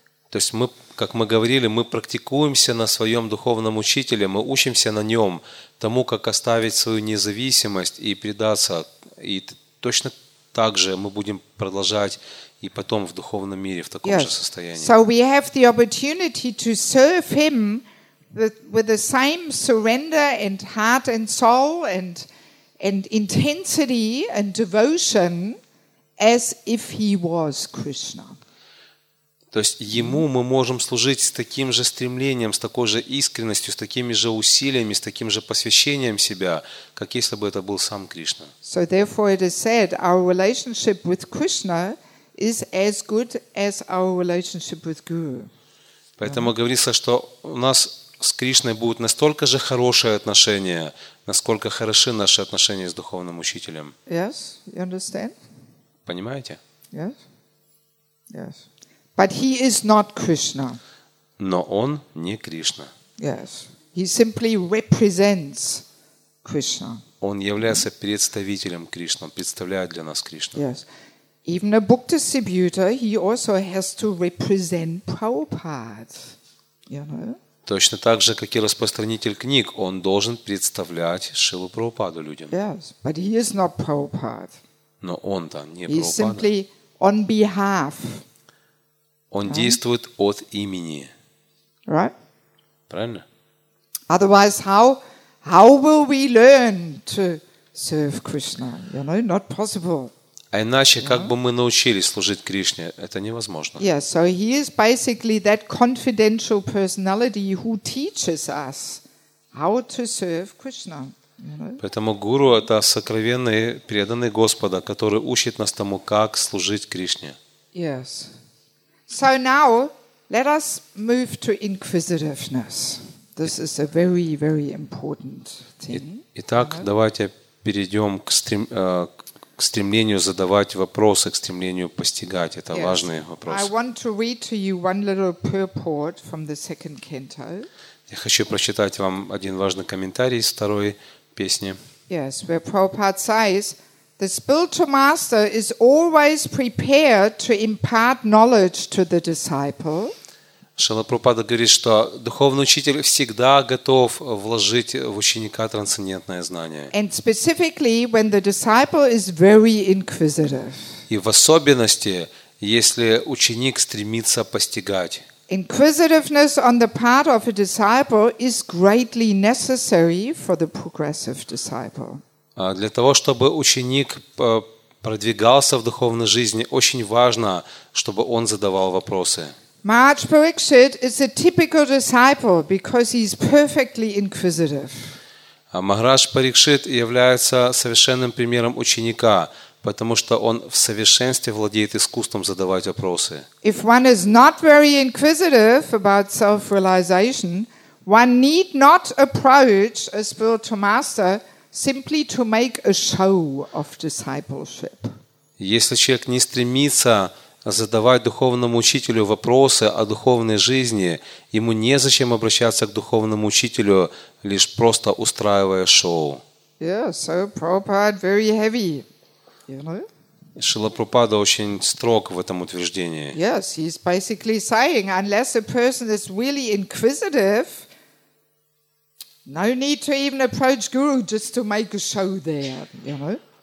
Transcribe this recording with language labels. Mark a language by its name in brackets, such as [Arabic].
[Russian] То есть мы, как мы говорили, мы практикуемся на своем духовном учителе, мы учимся на нем, тому, как оставить свою независимость и предаться. И точно так же мы будем продолжать и потом в духовном мире в таком же состоянии. [English] So we have the opportunity to serve him with the same surrender and heart and soul and intensity and devotion as if he was Krishna. [Russian] То есть ему мы можем служить с таким же стремлением, с такой же искренностью, с такими же усилиями, с таким же посвящением себя, как если бы это был сам Кришна. [English] So therefore it is said our relationship with Krishna is as good as our relationship with Guru. [Russian] Поэтому говорится, что у нас с Кришной будут настолько же хорошие отношения, насколько хороши наши отношения с духовным учителем. [English] Yes, you understand? [Russian] Понимаете? [English] Yes. Yes. But he is not Krishna. [Russian] Но он не Кришна. [English] Yes. He simply represents Krishna. [Russian] Он является представителем Кришны, он представляет для нас Кришну. [English] Yes. Even a book distributor, he also has to represent Prabhupada. You know? [Russian] Точно так же, как и распространитель книг, он должен представлять Шрилу Прабхупаду людям. [English] Yes, but he is not Prabhupada. [Russian] Но он-то не [English] Прабхупада. He is simply on behalf. [Russian] Он действует от имени. [English] Right? [Russian] Правильно? [English] Otherwise, how will we learn to serve Krishna? You know, not possible. [Russian] А иначе, как бы мы научились служить Кришне? Это невозможно. [English] Yeah, so he is basically that confidential personality who teaches us how to serve Krishna. [Russian] Поэтому гуру – это сокровенный, преданный Господа, который учит нас тому, как служить Кришне. [English] Yes. So now, let us move to inquisitiveness. This is a very, very important thing. [Russian] Итак, давайте перейдем к стремлению задавать вопросы, к стремлению постигать. Это важный вопрос. [English] I want to read to you one little purport from the second canto. [Russian] Я хочу прочитать вам один важный комментарий из второй песни. [English] Yes, where Prabhupada says, the spiritual master is always prepared to impart knowledge to the disciple. [Russian] Шрила Прабхупада говорит, что духовный учитель всегда готов вложить в ученика трансцендентное знание. [English] And specifically when the disciple is very inquisitive. [Russian] И в особенности, если ученик стремится постигать. [English] Inquisitiveness on the part of a disciple is greatly necessary for the progressive disciple. [Russian] Для того, чтобы ученик продвигался в духовной жизни, очень важно, чтобы он задавал вопросы. [English] Maharaj Parikshit is a typical disciple because he is perfectly inquisitive. [Russian] Maharaj Parikshit является совершенным примером ученика, потому что он в совершенстве владеет искусством задавать вопросы. [English] If one is not very inquisitive about self-realization, one need not approach a spiritual master simply to make a show of discipleship. [Russian] Если человек не стремится задавать духовному учителю вопросы о духовной жизни, ему незачем обращаться к духовному учителю, лишь просто устраивая шоу. [English] Yeah, so Prabhupada very heavy. You know? [Russian] Шрила Прабхупада очень строг в этом утверждении. [English] Yes, he's basically saying, unless a person is really inquisitive, no need to even approach guru just to make a show there, you know?